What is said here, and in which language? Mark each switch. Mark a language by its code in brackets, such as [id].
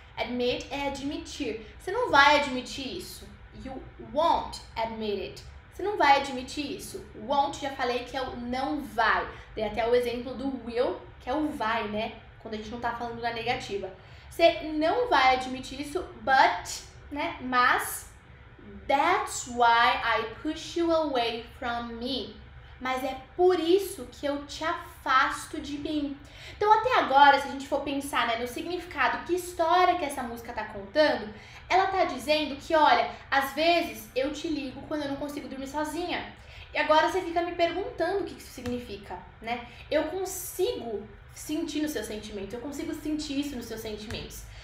[pt] Admit é admitir. Você não vai admitir isso. [en] You won't admit it. [pt] Você não vai admitir isso. Won't, já falei que é o não vai. Dei até o exemplo do will, que é o vai, né? Quando a gente não tá falando na negativa. Você não vai admitir isso, but, né? [en] Mas, that's why I push you away from me. [pt] Mas é por isso que eu te afasto de mim. Então, até agora, se a gente for pensar, né, no significado, que história que essa música tá contando, ela tá dizendo que, olha, às vezes eu te ligo quando eu não consigo dormir sozinha. E agora você fica me perguntando o que isso significa, né? Eu consigo sentir no seu sentimento, eu consigo sentir isso nos seus sentimentos.